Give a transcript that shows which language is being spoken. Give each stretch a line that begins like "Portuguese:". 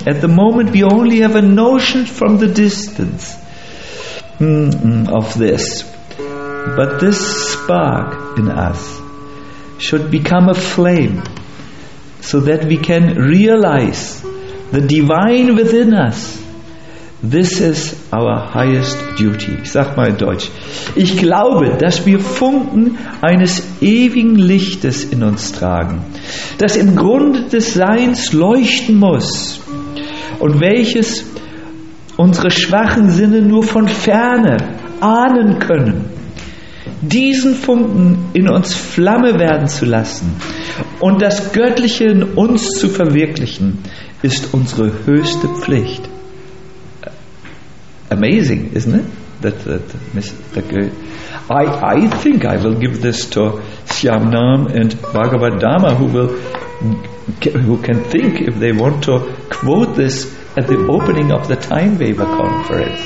English: "At the moment, we only have a notion from the distance of this. But this spark in us should become a flame so that we can realize the divine within us. This is our highest duty."
German: Ich sag mal in Deutsch. Ich glaube, dass wir Funken eines ewigen Lichtes in uns tragen, das im Grunde des Seins leuchten muss und welches unsere schwachen Sinne nur von Ferne ahnen können. Diesen Funken in uns Flamme werden zu lassen und das Göttliche in uns zu verwirklichen, ist unsere höchste Pflicht.
English: Amazing, isn't it? I think I will give this to Syam Nam and Bhagavad Dharma, who can think if they want to quote this at the opening of the Time Waver conference.